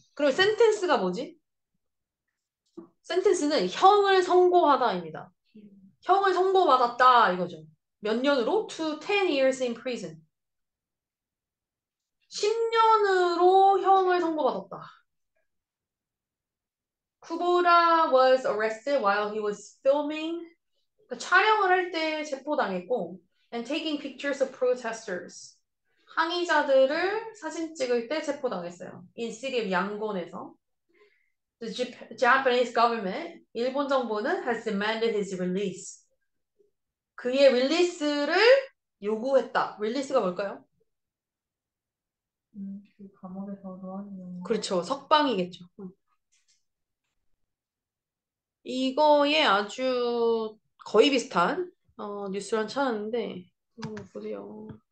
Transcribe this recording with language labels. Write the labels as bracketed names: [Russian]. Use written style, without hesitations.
[Korean] 그럼 센텐스가 뭐지? 센텐스는 형을 선고하다입니다. 형을 선고받았다 이거죠. 몇 년으로? [English] To 10 years in prison. [Korean] 10년으로 형을 선고받았다. [English] Kubota was arrested while he was filming. [Korean] 그 촬영을 할때 체포당했고, [English] and taking pictures of protesters. [Korean] 항의자들을 사진 찍을 때 체포당했어요. [English] In city of Yangon에서. The Japanese government, [Korean] 일본 정부는 [English] has demanded his release. [Korean] 그의 release를 요구했다. release가 뭘까요? 그 감옥에서 노하는 건가? 그렇죠. 석방이겠죠. 이거에 아주 거의 비슷한 뉴스랑 찾았는데 한번 보세요.